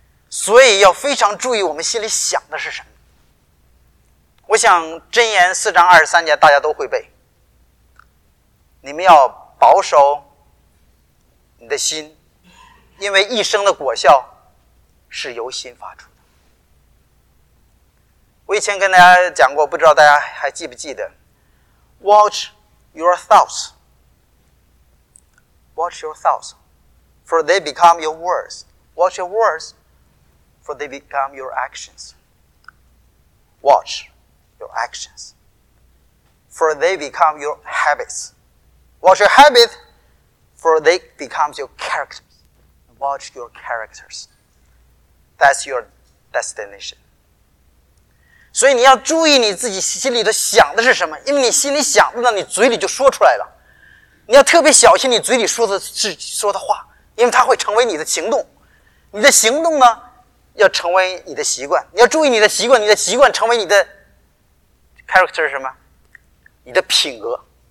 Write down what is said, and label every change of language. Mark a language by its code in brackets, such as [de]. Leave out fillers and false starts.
[zh] 所以要非常注意我们心里想的是什么。我想箴言四章二十三节大家都会背，你们要保守你的心，因为一生的果效是由心发出的。我以前跟大家讲过，不知道大家还记不记得 Watch your thoughts for they become your words. [en] Watch your words for they become your actions. Watch your actions for they become your habits. Watch your habits for they become your characters. Watch your characters. That's your destination. [zh] 所以你要注意你自己心里的想的是什么，因为你心里想的，那你嘴里就说出来了。你要特别小心你嘴里说的话，因为它会成为你的行动。你的行动呢，要成为你的习惯。你要注意你的习惯，你的习惯成为你的 character 是什么？你的品格。